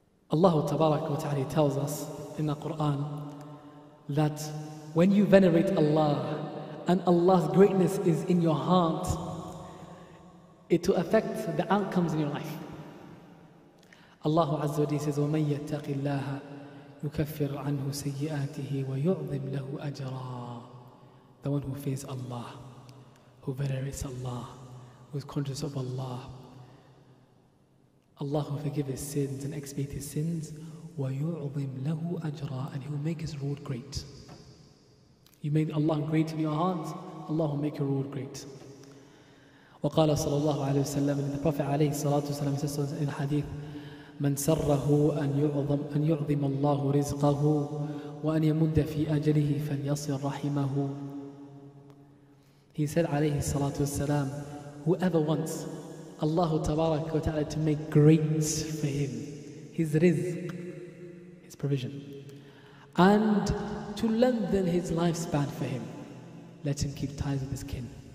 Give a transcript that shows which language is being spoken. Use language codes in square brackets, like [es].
[en] Allah Tabarak wa Ta'ala tells us in the Quran that when you venerate Allah and Allah's greatness is in your heart, it will affect the outcomes in your life. Allah Azza wa Jalla says, [ar] وَمَنْ يَتَّقِ اللَّهَ يُكَفِّرْ عَنْهُ سَيِّئَاتِهِ وَيُعْظِمْ لَهُ أَجْرًا. [en] The one who fears Allah, who venerates Allah, who is conscious of Allah, Allah will forgive his sins and expiate his sins, [ar] وَيُعْظِمْ لَهُ أَجْرًا, [en] and he will make his reward great. You made Allah great in your heart, Allah will make your reward great. [ar] وقال صلى الله عليه وسلم, [en] the Prophet [ar] عليه الصلاة والسلام [en] says in the hadith, [ar] من سره أن يعظم الله رزقه وأن يمد في أجله فليصل رحمه. [en] He said [ar] عليه الصلاة والسلام, [en] whoever wants Allah [ar] تبارك وتعالى [en] to make great for him his rizq, his provision, and to lengthen his lifespan for him, let him keep ties with his kin.